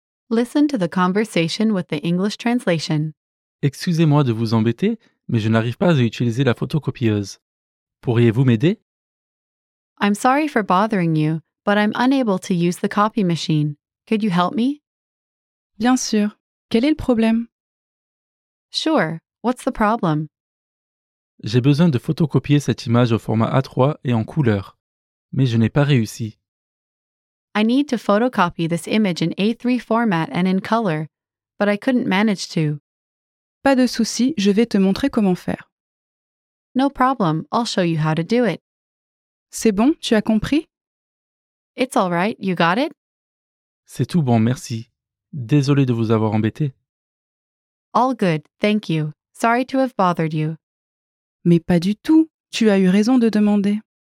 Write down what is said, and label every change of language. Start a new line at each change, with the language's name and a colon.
English: Listen to the conversation with the English translation.
French: Excusez-moi de vous embêter, mais je n'arrive pas à utiliser la photocopieuse. Pourriez-vous m'aider?
English: I'm sorry for bothering you, but I'm unable to use the copy machine. Could you help me?
French: Bien sûr. Quel est le problème?
English: Sure. What's the problem?
French: J'ai besoin de photocopier cette image au format A3 et en couleur, mais je n'ai pas réussi.
English: I need to photocopy this image in A3 format and in color, but I couldn't manage to.
French: Pas de souci, je vais te montrer comment faire.
English: No problem, I'll show you how to do it.
French: C'est bon, tu as compris?
English: It's all right, you got it?
French: C'est tout bon, merci. Désolé de vous avoir embêté.
English: All good, thank you. Sorry to have bothered you.
French: Mais pas du tout, tu as eu raison de demander.